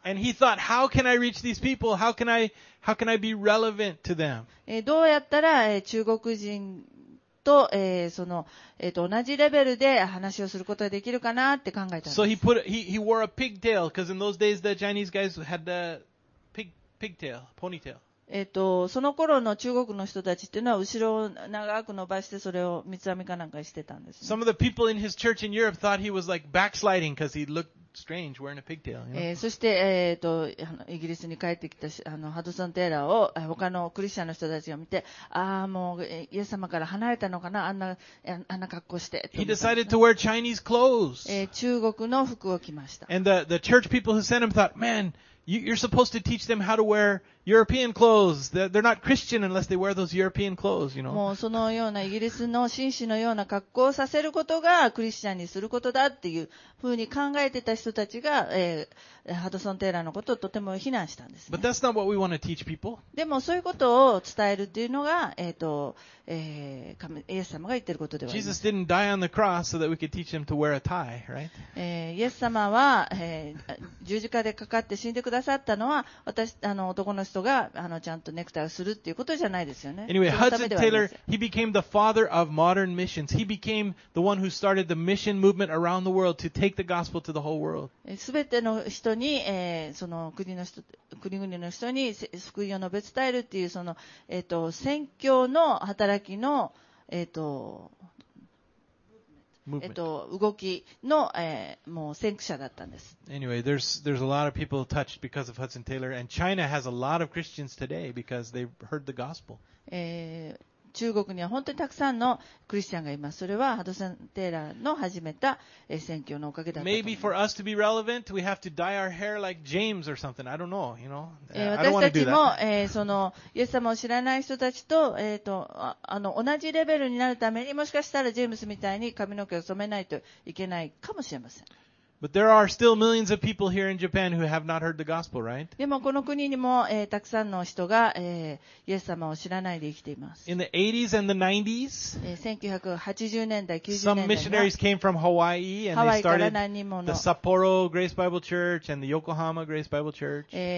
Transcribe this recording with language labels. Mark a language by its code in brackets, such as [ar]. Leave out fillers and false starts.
[en] And he thought, how can I reach these people? How can I be relevant to them? [ja] どうやったら、中国人と、その同じレベルで話をすることができるかなって考えたんです。 [en] So he wore a pigtail because in those days the Chinese guys had the pigtail, ponytail. [ja] その頃の中国の人たちっていうのは後ろを長く伸ばしてそれを三つ編みかなんかしてたんです、ね。 [en] Some of the people in his church in Europe thought he was like backsliding because he looked strange wearing a pigtail. You know? [ja] そしてイギリスに帰ってきたハドソン・テイラーを他のクリスチャンの人たちが見て、ああもうイエス様から離れたのかな、あんな格好して。 [en] He decided to wear Chinese clothes. [ja] 中国の服を着ました。 [en] And the church people who sent him thought, man, you're supposed to teach them how to wear European clothes. They're not Christian unless they wear those European clothes, you know. [ja] もうそのようなイギリスの紳士のような格好をさせることがクリスチャンにすることだっていうふうに考えてた人たちが、ハドソン・テイラーのことをとても非難したんですね。 [en] But that's not what we want to teach people. [ja] でもそういうことを伝えるっていうのが、イエス様が言ってることではない。 [en] Jesus didn't die on the cross so that we could teach him to wear a tie, right? [ja] イエス様は、十字架でかかって死んでくださったのは私男の人がちゃんとネクタイをするっていうことじゃないですよね。 [en] Anyway, Hudson Taylor, he became the father of modern missions. He became the one who started the mission movement around the world to take the gospel to the whole world. [ja] すべての人に、その国々の人に福音を述べ伝えるっていうその、宣教の働きの、動きの、もう先駆者だったんです。 [en] Anyway, there's a lot of people touched because of Hudson Taylor, and China has a lot of Christians today because they heard the gospel. [ja] 中国には本当にたくさんのクリスチャンがいます。それはハドソン・テイラーの始めた宣教のおかげだと思います。 [en] Maybe for us to be relevant, we have to dye our hair like James or something. I don't know, you know. [ja] 私たちも、イエス様を知らない人たち と,、同じレベルになるために、もしかしたらジェームスみたいに髪の毛を染めないといけないかもしれません。 [en] But there are still millions of people here in Japan who have not heard the gospel, right? [ja] でもこの国にも、たくさんの人が、イエス様を知らないで生きています。 [en] In the 80s and the 90s, [ja] 1980年代、90年代、 [en] some missionaries came from Hawaii and they started the Sapporo Grace Bible Church and the Yokohama Grace Bible Church.